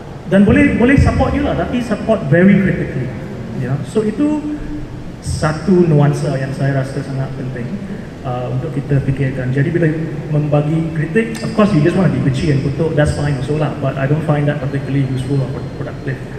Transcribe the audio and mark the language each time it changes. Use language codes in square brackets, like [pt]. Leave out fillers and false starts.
[ms] Dan boleh [en] support you lah, [ms] tapi [en] support very critically. Yeah. [ms] So itu satu nuansa yang saya rasa sangat penting untuk kita fikirkan. Jadi bila membagi kritik, [en] of course you just want to be bitchy and kutuk, that's fine also lah, but I don't find that particularly useful or productive.